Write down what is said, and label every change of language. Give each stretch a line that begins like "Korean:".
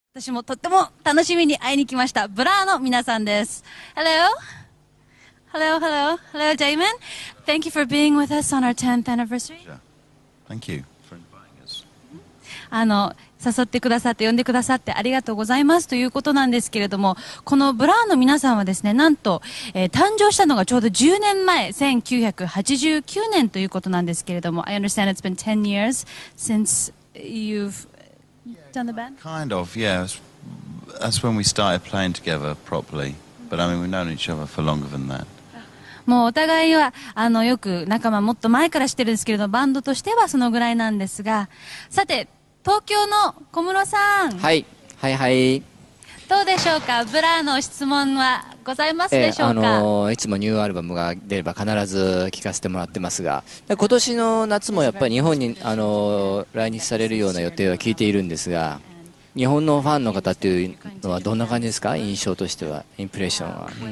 Japanese: 私もとっても楽しみに会いに来ました。ブラーの皆さんです。
English: Hello, Damon. Thank you for being with us on our 10th anniversary. Thank you for inviting us.
Japanese: 誘ってくださって呼んでくださってありがとうございますということなんですけれども、このブラーの皆さんはですね、なんと、誕生したのがちょうど10年前、1989年ということなんですけれども、
English: I understand it's been 10 years since you've done the band? Kind of, yeah. That's when we started playing together properly. But I mean, we've known each other for longer than that.
Japanese: もうお互いはよく仲間もっと前から知ってるんですけれど、バンドとしてはそのぐらいなんですが、さて東京の小室さん、はい、はいはい、どうでしょうか、ブラーの質問はございますでしょうか。いつもニューアルバムが出れば必ず聞かせてもらってますが、今年の夏もやっぱり日本に来日されるような予定は聞いているんですが、日本のファンの方というのはどんな感じですか、印象としては、インプレッションは。